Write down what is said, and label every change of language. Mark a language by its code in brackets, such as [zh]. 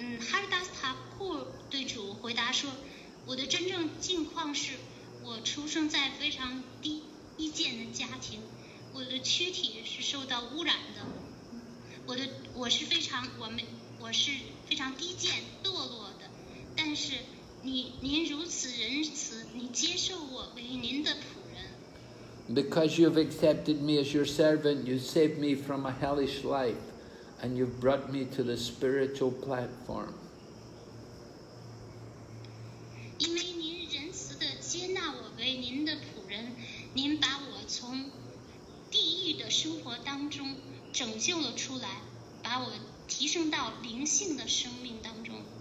[zh] 哈尔达斯塔库对主回答说，我的真正境况是，我出生在非常低贱的家庭，我的躯体是受到污染的，我是非常低贱堕落的，但是您如此仁慈，你接受我为您的仆人。 [en] Because you've accepted me as your servant, you saved me from a hellish life, and you've brought me to the spiritual platform. [zh] 因为您仁慈地接纳我为您的仆人，您把我从地狱的生活当中拯救了出来，把我提升到灵性的生命当中。